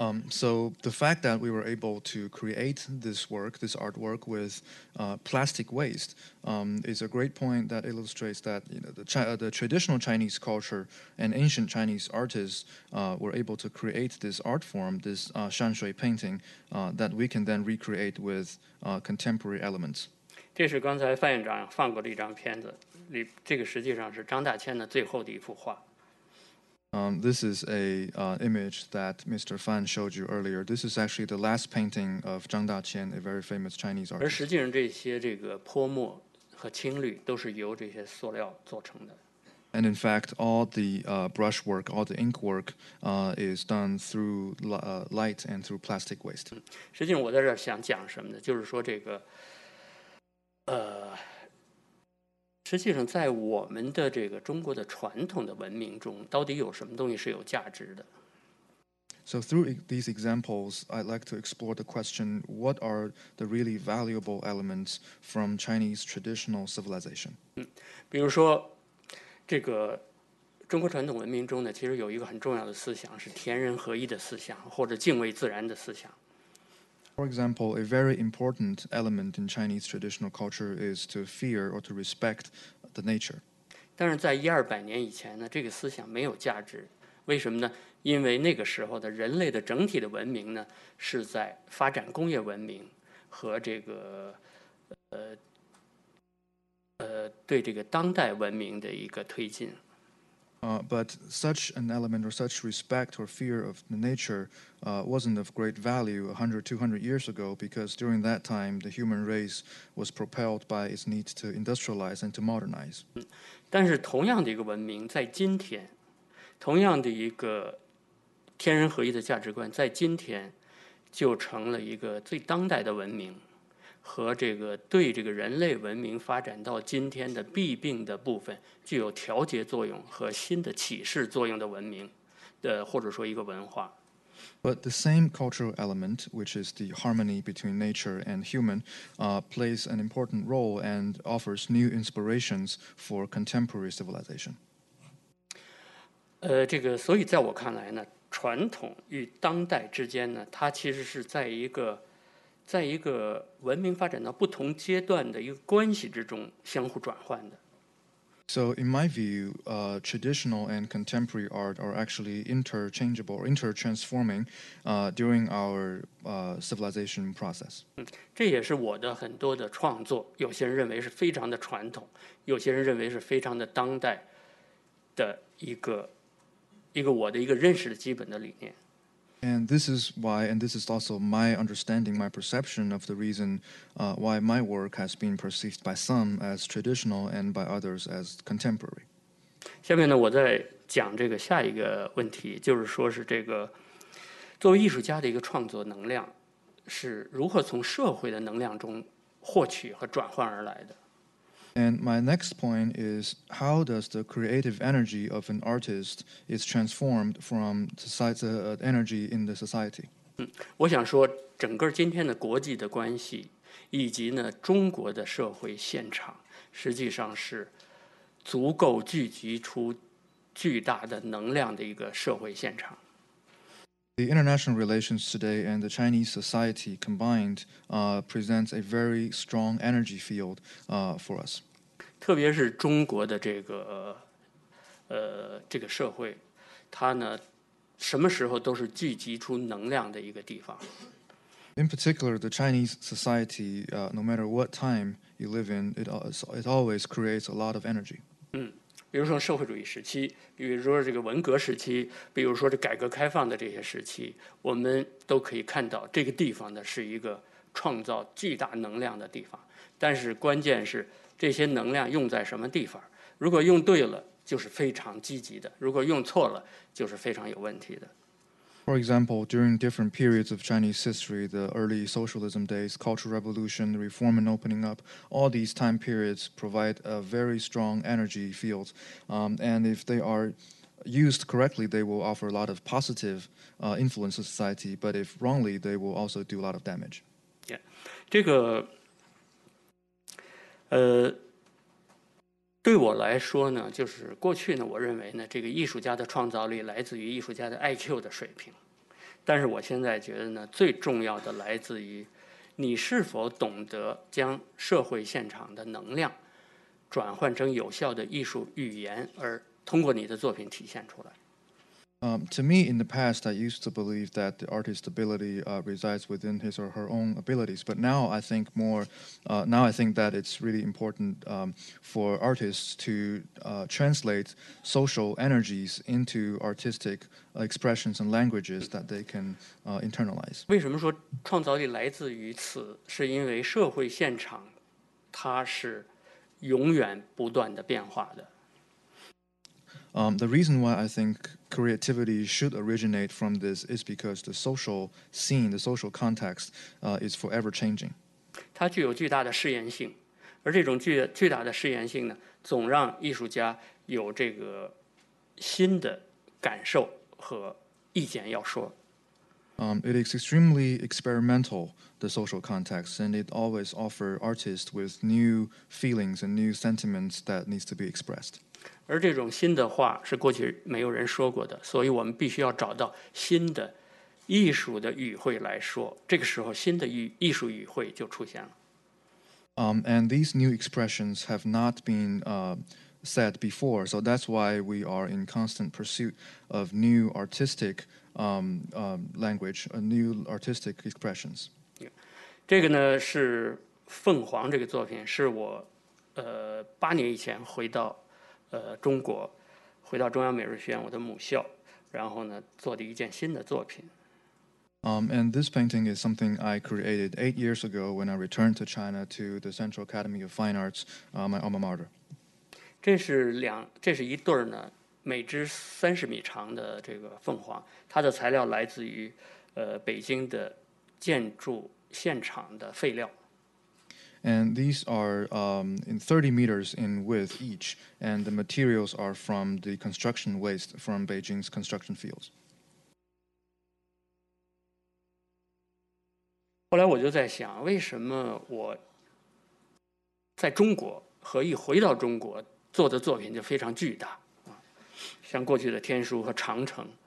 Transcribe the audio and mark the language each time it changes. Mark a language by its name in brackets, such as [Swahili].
[English] So the fact that we were able to create this work, this artwork with plastic waste, is a great point that illustrates that you know, the traditional Chinese culture and ancient Chinese artists were able to create this art form, this shanshui painting, that we can then recreate with contemporary elements. [Chinese] 这是刚才范院长放过的一张片子，这个实际上是张大千的最后的一幅画。 [English] This is an image that Mr. Fan showed you earlier. This is actually the last painting of Zhang Daqian, a very famous Chinese artist. [Chinese] 而实际上这些这个泼墨和青绿都是由这些塑料做成的。 [English] And in fact, all the brushwork, all the inkwork is done through light and through plastic waste. [Chinese] 实际上我在这想讲什么呢？就是说这个，实际上在我们的这个中国的传统的文明中到底有什么东西是有价值的。 [English] So through these examples, I'd like to explore the question, what are the really valuable elements from Chinese traditional civilization? [Chinese] 比如说这个中国传统文明中呢其实有一个很重要的思想是天人合一的思想或者敬畏自然的思想。 [English] For example, a very important element in Chinese traditional culture is to fear or to respect the nature. [Chinese] 但是在一二百年以前呢，这个思想没有价值。为什么呢？因为那个时候的人类的整体的文明呢，是在发展工业文明和这个对这个当代文明的一个推进。 [English] But such an element or such respect or fear of the nature wasn't of great value 100, 200 years ago because during that time the human race was propelled by its need to industrialize and to modernize. [Chinese] 但是同样的一个文明在今天，同样的一个天人合一的价值观在今天就成了一个最当代的文明和这个对这个人类文明发展到今天的弊病的部分具有调节作用和新的启示作用的文明的或者说一个文化。 [English] But the same cultural element, which is the harmony between nature and human, plays an important role and offers new inspirations for contemporary civilization. [Chinese] 这个所以在我看来呢，传统与当代之间呢，它其实是在一个文明发展到不同阶段的一个关系之中相互转换的。 [English] So in my view, traditional and contemporary art are actually interchangeable, intertransforming, during our civilization process. [Chinese] 这也是我的很多的创作，有些人认为是非常的传统，有些人认为是非常的当代的一个我的一个认识的基本的理念。 [English] And this is why, and this is also my understanding, my perception of the reason why my work has been perceived by some as traditional and by others as contemporary. [Chinese] 下面呢，我再讲这个下一个问题，就是说是这个作为艺术家的一个创作能量是如何从社会的能量中获取和转换而来的。 [English] And my next point is, how does the creative energy of an artist is transformed from the energy in the society? [Chinese] 我想说整个今天的国际的关系以及呢中国的社会现场实际上是足够聚集出巨大的能量的一个社会现场。 [English] The international relations today and the Chinese society combined presents a very strong energy field for us. [Chinese] 特别是中国的这个这个社会，它呢什么时候都是聚集出能量的一个地方。 [English] In particular, the Chinese society, no matter what time you live in, it always creates a lot of energy. [Chinese] 比如说社会主义时期，比如说这个文革时期，比如说这改革开放的这些时期，我们都可以看到这个地方呢是一个创造巨大能量的地方。但是关键是这些能量用在什么地方？如果用对了，就是非常积极的；如果用错了，就是非常有问题的。 [English] For example, during different periods of Chinese history, the early socialism days, Cultural Revolution, reform and opening up, all these time periods provide a very strong energy field. And if they are used correctly, they will offer a lot of positive influence to society. But if wrongly, they will also do a lot of damage. Yeah. [Chinese] 这个对我来说呢，就是过去呢，我认为呢，这个艺术家的创造力来自于艺术家的 IQ 的水平。但是我现在觉得呢，最重要的来自于你是否懂得将社会现场的能量转换成有效的艺术语言，而通过你的作品体现出来。 [English] To me, in the past, I used to believe that the artist's ability resides within his or her own abilities. But now I think that it's really important for artists to translate social energies into artistic expressions and languages that they can internalize. [Chinese] 为什么说创造力来自于此？是因为社会现场它是永远不断的变化的。 [English] The reason why I think creativity should originate from this is because the social scene, the social context, is forever changing. [Chinese] 它具有巨大的试验性，而这种巨大的试验性呢，总让艺术家有这个新的感受和意见要说。 [English] It is extremely experimental, the social context, and it always offers artists with new feelings and new sentiments that needs to be expressed. [Chinese] 而这种新的话是过去没有人说过的，所以我们必须要找到新的艺术的语汇来说。这个时候，新的艺术语汇就出现了。 [English] And these new expressions have not been said before, so that's why we are in constant pursuit of new artistic language, new artistic expressions. [Chinese] 这个呢是凤凰这个作品，是我八年以前回到中国，回到中央美术学院我的母校，然后呢做了一件新的作品。 [English] And this painting is something I created 8 years ago when I returned to China to the Central Academy of Fine Arts, my alma mater. [Chinese] 这是一对呢每只30米长的这个凤凰，它的材料来自于北京的建筑现场的废料。 [English] And these are in 30 meters in width each, and the materials are from the construction waste from Beijing's construction fields. [Chinese] 后来我就在想，为什么我在中国和一回到中国做的作品就非常巨大，像过去的天书和长城。